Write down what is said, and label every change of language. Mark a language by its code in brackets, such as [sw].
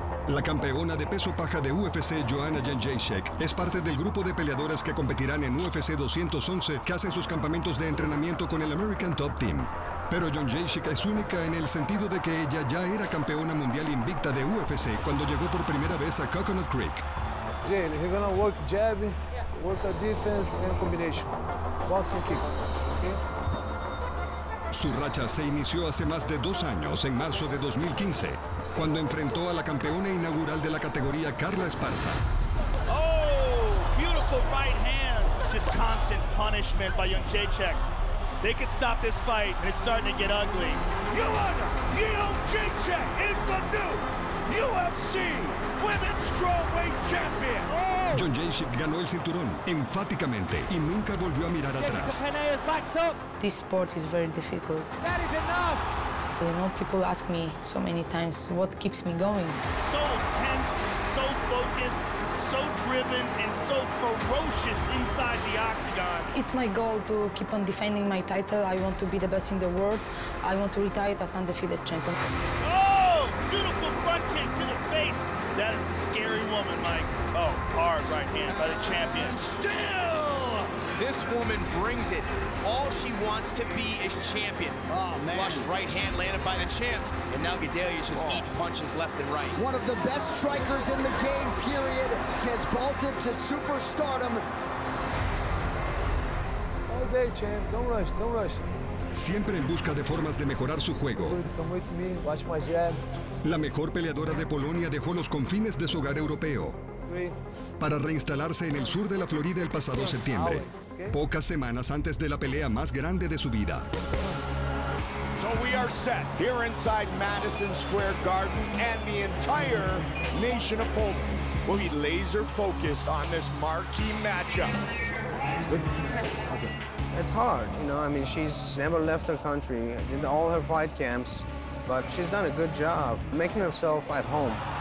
[es] La campeona de peso paja de UFC, Joanna Jędrzejczyk, es parte del grupo de peleadoras que competirán en UFC 211, que hacen sus campamentos de entrenamiento con el American Top Team. Pero Jędrzejczyk es única en el sentido de que ella ya era campeona mundial invicta de UFC cuando llegó por primera vez a Coconut Creek. [en] Jane, you're gonna work jab, work a defense and combination. Boxing kick, okay? [es] Su racha se inició hace más de dos años, en marzo de 2015, cuando enfrentó a la campeona inaugural de la categoría, Carla Esparza. [en] Oh, beautiful right hand. Just constant punishment by Jędrzejczyk. They could stop this fight, and it's starting to get ugly. Joanna Jędrzejczyk is the new UFC Women's Strawweight Champion. [es] Jędrzejczyk ganó el cinturón enfáticamente y nunca volvió a mirar atrás. [en] This sport is very difficult. That is enough. You know, people ask me so many times, what keeps me going? So tense, so focused, so driven, and so ferocious inside the octagon. It's my goal to keep on defending my title. I want to be the best in the world. I want to retire as undefeated champion. Oh, beautiful front kick to the face. That is a scary woman, Mike. Oh, hard right hand by the champion. Still! This woman brings it. All she wants to be is champion. Oh, man. Flush right hand landed by the champ. And now Gedalia's just eating punches left and right. One of the best strikers in the game, period, has vaulted to superstardom. All day, champ. Don't rush. Don't rush. [es] Siempre en busca de formas de mejorar su juego. [en] Come with me. Watch my jab. [es] La mejor peleadora de Polonia dejó los confines de su hogar europeo. Para reinstalarse en el sur de la Florida el pasado septiembre, pocas semanas antes de la pelea más grande de su vida. [en] So we are set here inside Madison Square Garden and the entire nation of Poland will be laser focused on this marquee matchup. It's hard, you know. I mean, she's never left her country, did all her fight camps, but she's done a good job making herself at home.